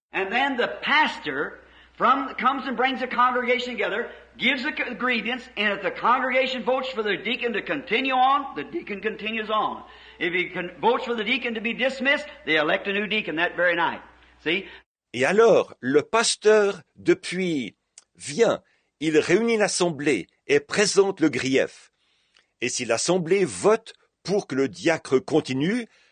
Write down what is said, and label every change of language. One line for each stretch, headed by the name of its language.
English: And then the pastor from comes and brings the congregation together, gives the ingredients, and if the congregation votes for the deacon to continue on, the deacon continues on. If he votes for the deacon to be dismissed, they elect a new deacon that very night. See?
French: Et alors, le pasteur, depuis, vient, il réunit l'assemblée et présente le grief. Et si l'assemblée vote pour que le diacre continue.